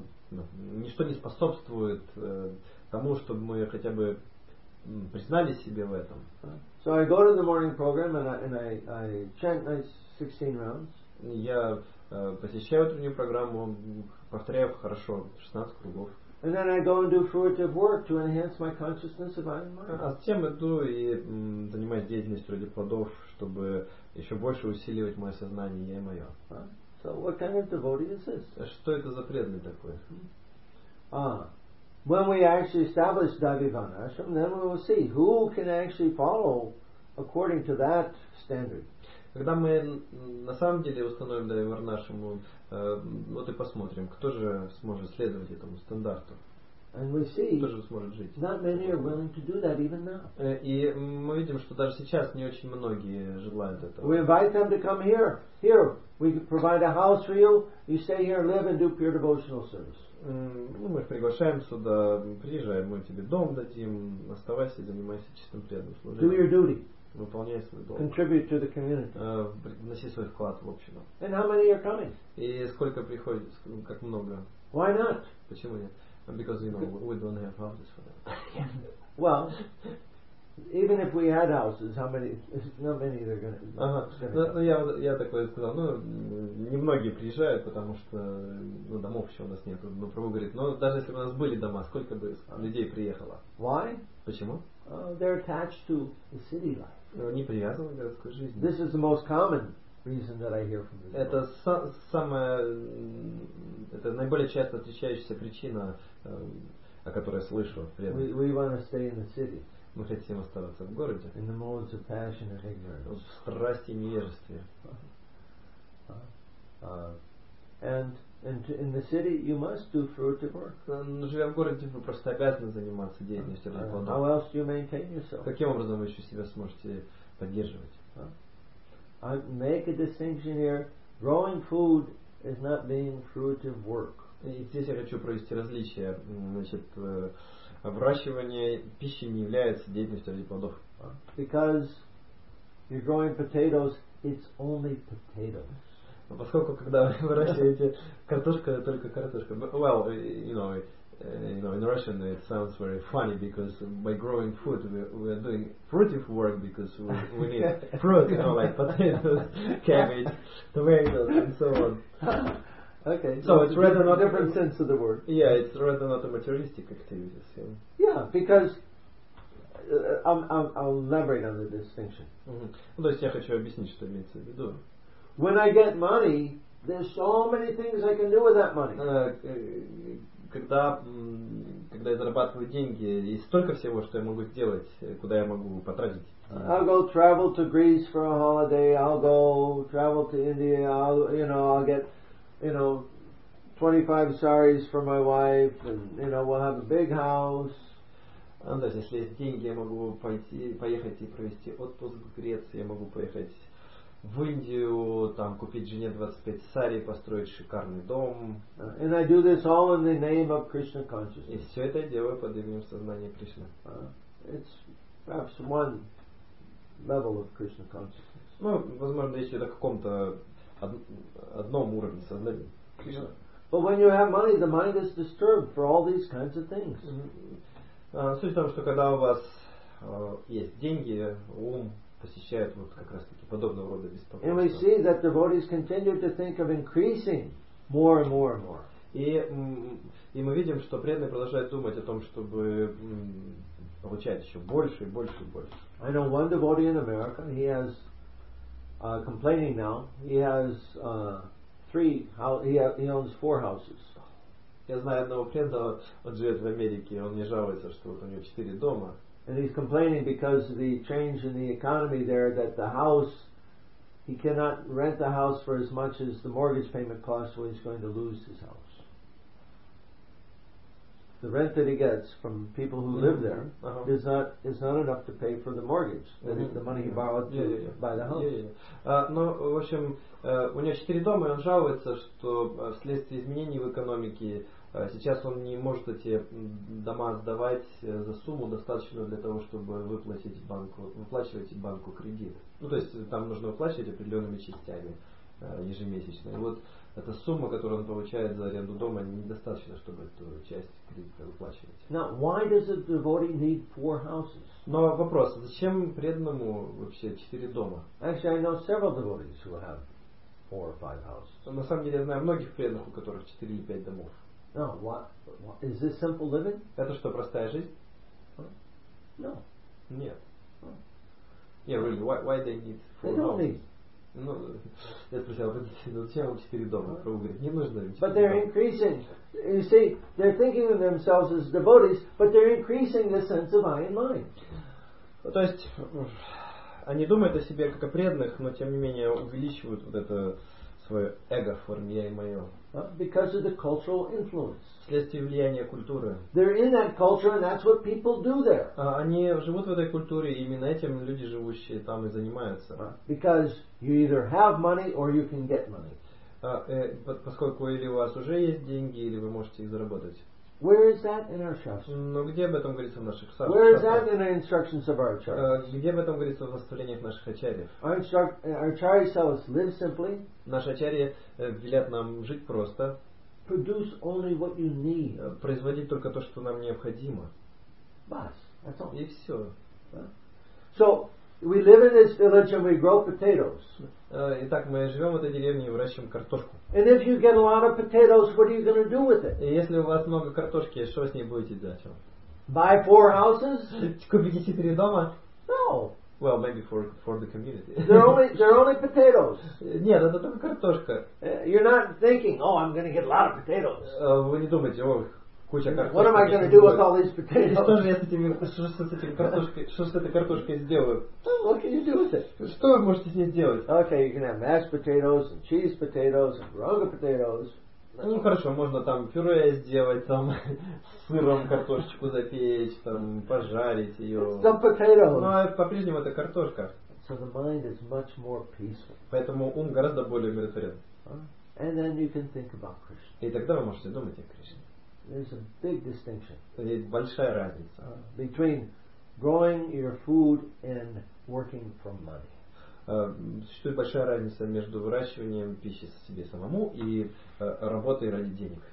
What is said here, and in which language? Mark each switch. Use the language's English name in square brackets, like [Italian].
[Russian] Ничто не способствует тому, чтобы мы хотя бы признали себе в этом. [English] So I go to the morning program and I chant my 16 rounds. [Russian] Я посещаю утреннюю программу, повторяю хорошо 16 кругов. [English] And then I go and do fruitive work to enhance my consciousness of I and mine. [Russian] А затем иду и занимаюсь деятельностью ради плодов, чтобы еще больше усиливать мое сознание я и мое. [English] So what kind of devotee is this? [Russian] Что это за преданный такой? [English] When we actually establish Daivi Varnashrama, then we will see who can actually follow according to that standard. [Russian] Когда мы на самом деле установим Даиви Варнашраму, вот и посмотрим, кто же сможет следовать этому стандарту. [English] And we see [Russian] кто же сможет жить. [English] Not many are willing to do that even now. [Russian] И мы видим, что даже сейчас не очень многие желают этого. [English] We invite them to come here. Here. We provide a house for you. You stay here, live, and do pure devotional service. [Russian] Мы приглашаем сюда, приезжай, мы тебе дом дадим, оставайся и занимайся чистым преданным служением. [English] Do your duty. [Russian] Выполняй свой долг. [English] Contribute to the community. [Russian] Вноси свой вклад в общину. [English] And how many are coming? [Russian] И сколько приходит, как много? [English] Why not? [Russian] Почему нет? [English] Because, you know, we don't have houses for them. Well, even if we had houses, how many are going to... [Russian] Ага. Ну я такое сказал, ну немногие приезжают, потому что ну домов еще у нас нет. Ну Прабху говорит, но даже если бы у нас были дома, сколько бы людей приехало? [English] Why? [Russian] Почему? [English] They're attached to the city life. [Russian] Они привязаны к городской жизни. [English] This is the most common reason that I hear from this. [Russian] Это самая, это наиболее часто встречающаяся причина, о которой я слышу. [English] We want to stay in the city. [Russian] Мы хотим оставаться в городе. [English] In the moments of passion and ignorance. [Russian] В страсти и невежестве. [English] And in the city you must do fruitive work. [Russian] Живя в городе, вы просто обязаны заниматься деятельностью ради плодов. [English] How else do you maintain yourself? [Russian] Каким образом вы еще себя сможете поддерживать? [English] I make a distinction here. Growing food is not being fruitive work. [Russian] И здесь я хочу провести различие. Значит, выращивание пищи не является деятельностью ради плодов. [English] Because you're growing potatoes, it's only potatoes. [Russian] Поскольку когда вы выращиваете картошку, это только картошка. [English] But, well, you know, in Russian it sounds very funny because by growing food we're doing fruitive work because we need fruit, you know, like potatoes, cabbage, tomatoes, and so on. Okay. So it's rather not a different sense of the word. Yeah, it's rather not a materialistic activity. So. Yeah, because. I'll elaborate on the distinction. Mm-hmm. [Russian] То есть я хочу объяснить, что имеется в виду. [English] When I get money, there's so many things I can do with that money. [Russian] Когда я зарабатываю деньги, есть столько всего, что я могу сделать, куда я могу потратить. [English] I'll go travel to Greece for a holiday. I'll go travel to India. I'll get 25 saris for my wife, and you know we'll have a big house. [Russian] Даже если есть деньги, я могу поехать и провести отпуск в Греции. Я могу поехать в Индию, там купить жене 25 сари, построить шикарный дом. [English] And I do this all in the name of Krishna consciousness. [Russian] И все это я делаю под именем сознания Кришны. [English] It's perhaps one level of Krishna consciousness. [Russian] Ну, возможно, речь идет о каком-то одном уровне сознания Кришны. [English] But when you have money, the mind is disturbed for all these kinds of things. [Russian] Суть в том, что когда у вас есть деньги, ум посещает вот как раз таки подобного рода беспокойство. [English] And we see that devotees continue to think of increasing more and more and more. [Russian] И мы видим, что преданные продолжают думать о том, чтобы получать еще больше и больше и больше. [English] I know one devotee in America. He has complaining now. He has he owns four houses. [Russian] Я знаю одного преданного, он живет в Америке, он мне жалуется, что вот у него 4 дома. [English] And he's complaining because of the change in the economy there, that the house, he cannot rent the house for as much as the mortgage payment costs, so he's going to lose his house. The rent that he gets from people who mm-hmm. live there uh-huh. is not enough to pay for the mortgage, mm-hmm. the money he borrowed to buy the house. [Russian] В общем, у него 4 дома, и он жалуется, что вследствие изменений в экономике сейчас он не может эти дома сдавать за сумму, достаточную для того, чтобы выплачивать банку кредит. Ну, то есть там нужно выплачивать определенными частями ежемесячно. И вот эта сумма, которую он получает за аренду дома, недостаточно, чтобы эту часть кредита выплачивать. [English] Now, why does a devotee need four houses? [Russian] Но вопрос, зачем преданному вообще 4 дома? [English] Actually, I know several devotees who have 4 or 5 houses. [Russian] На самом деле, я знаю многих преданных, у которых 4 или 5 домов. [English] No, what is this simple living? [Russian] Это что, простая жизнь? [English] No. [Russian] Нет. [English] Yeah, really. Why they need 4 they don't homes? Need. [Russian] Ну, я спросил, зачем вам 4 дома? Прабху говорит, не нужно. [English] But they're [Russian] дома. [English] Increasing. You see, they're thinking of themselves as devotees, but they're increasing the sense of I and mine. [Russian] То есть они думают о себе как о преданных, но тем не менее увеличивают вот это свое эго в форме я и мое. [English] Because of the cultural influence. [Russian] Вследствие влияния культуры. [English] They're in that culture, and that's what people do there. [Russian] Они живут в этой культуре, и именно этим люди, живущие там, и занимаются. [English] Because you either have money or you can get money. [Russian] Поскольку или у вас уже есть деньги, или вы можете их заработать. [English] Where is that in our shastras? [Russian] Но где об этом говорится в наших шастрах? [English] Where is that in the instructions of our acharyas? [Russian] Где об этом говорится в наставлениях наших ачарьев? [English] Our acharyas tell us live simply. [Russian] Наши ачарьи велят нам жить просто. [English] Produce only what you need. [Russian] Производить только то, что нам необходимо. [English] Бас. That's all. [Russian] И все. [English] So we live in this village and we grow potatoes. [Russian] Итак, мы живем в этой деревне и выращиваем картошку. [English] And if you get a lot of potatoes, what are you going to do with it? [Russian] И если у вас много картошки, что с ней будете делать? [English] Buy four houses? [Russian] Купите четыре дома? [English] No. Well, maybe for the community. They're only potatoes. [Russian] Нет, это только картошка. [English] You're not thinking, oh, I'm going to get a lot of potatoes. [Russian] Вы не думаете, о, куча картошки. [English] What am I going to do with all these potatoes? [Russian] Что же я с этими, что с этой картошкой сделаю? [English] What can you do with it? [Russian] Что вы можете с ней сделать? [English] Okay, you can have mashed potatoes, and cheese potatoes, and roga potatoes. [Russian] Ну хорошо, можно там пюре сделать, там сыром картошечку запечь, там пожарить ее. [English] Some potatoes. [Russian] Но по-прежнему это картошка. [English] So the mind is much more peaceful. [Russian] Поэтому ум гораздо более умиротворен. [English] And then you can think about Krishna. [Russian] И тогда вы можете думать о Кришне. [English] There's a big distinction. [Russian] Есть большая разница. [English] Between growing your food and working for money. [Russian] Существует большая разница между выращиванием пищи себе самому и работой ради денег.